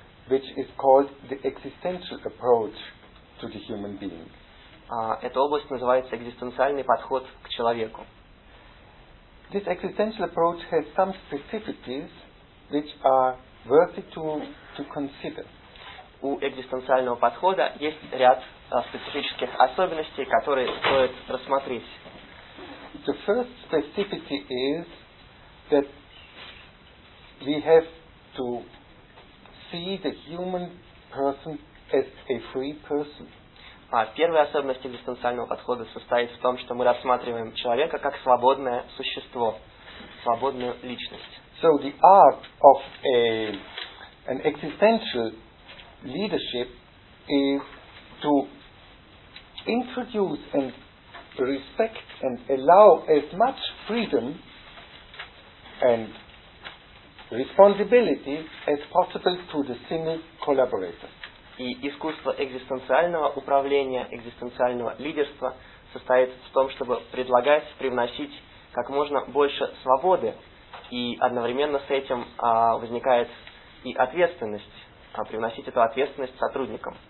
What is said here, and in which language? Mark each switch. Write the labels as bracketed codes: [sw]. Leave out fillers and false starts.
[en] which is called the existential approach to the human being. [ru] Эта область называется экзистенциальный подход к человеку. [en] This existential approach has some specificities which are worthy to consider. [ru] У экзистенциального подхода есть ряд специфических особенностей, которые стоит рассмотреть. [en] The first specificity is that we have to see the human person as a free person. [ru] Первая особенность экзистенциального подхода состоит в том, что мы рассматриваем человека как свободное существо, свободную личность. [en] So the art of an existential leadership is to introduce and respect and allow as much freedom and responsibility as possible to the single collaborator. [ru] И искусство экзистенциального управления, экзистенциального лидерства состоит в том, чтобы предлагать, привносить как можно больше свободы, и одновременно с этим возникает и ответственность, привносить эту ответственность сотрудникам.